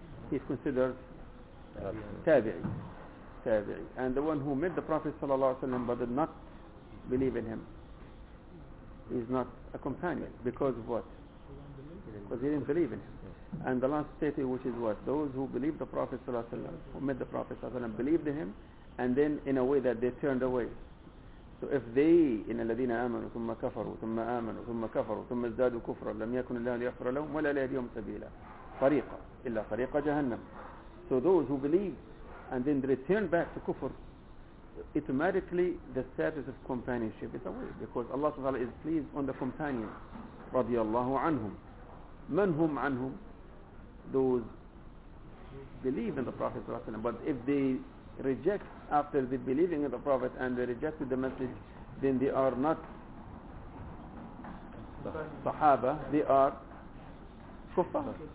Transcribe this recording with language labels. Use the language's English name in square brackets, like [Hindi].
[English] He's considered tabi'i. And the one who met the Prophet sallallahu alaihi wasallam but did not believe in him, he's not a companion. Because of what? Because he didn't believe in him. And the last state, which is what? Those who believed the Prophet sallallahu alaihi wasallam, who met the Prophet sallallahu alaihi wasallam, believed in him. And then in a way that they turned away. So if they, in [Arabic] الذين آمنوا ثم كفروا ثم آمنوا ثم كفروا ثم ازدادوا كفرا لم يكن الله ليغفر لهم ولا ليهديهم سبيلا طريقا إلا طريق جهنم. [English] So those who believe and then they return back to kufr, automatically the status of companionship is away, because Allah [Arabic] سبحانه وتعالى [English] is pleased on the companion [Arabic] رضي الله عنهم. من هم عنهم? [English] Those believe in the Prophet [Arabic] صلى الله عليه وسلم, [English] but if they reject after the believing in the Prophet and they rejected the message, then they are not Sahaba, they are Kuffar.